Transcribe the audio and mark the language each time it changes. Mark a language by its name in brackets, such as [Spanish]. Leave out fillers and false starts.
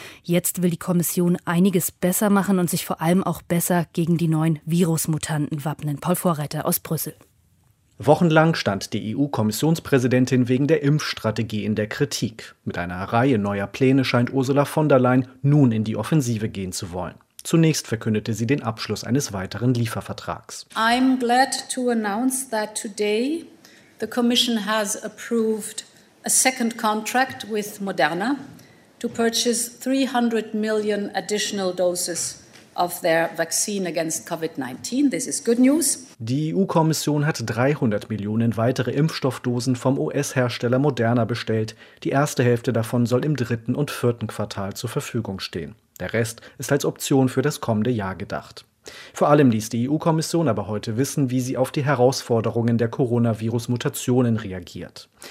[German] Jetzt will die Kommission einiges besser machen und sich vor allem auch besser gegen die neuen Virusmutanten wappnen. Paul Vorreiter aus Brüssel. Wochenlang stand die EU-Kommissionspräsidentin wegen der Impfstrategie in der Kritik. Mit einer Reihe neuer Pläne scheint Ursula von der Leyen nun in die Offensive gehen zu wollen. Zunächst verkündete sie den Abschluss eines weiteren Liefervertrags. [English] I'm glad to announce that today the Commission has approved a second contract with Moderna to purchase 300 million additional doses of their vaccine against COVID-19. This is good news. [German] Die EU-Kommission hat 300 Millionen weitere Impfstoffdosen vom US-Hersteller Moderna bestellt. Die erste Hälfte davon soll im dritten und vierten Quartal zur Verfügung stehen. Der Rest ist als Option für das kommende Jahr gedacht. Vor allem ließ die EU-Kommission aber heute wissen, wie sie auf die Herausforderungen der Coronavirus-Mutationen reagiert.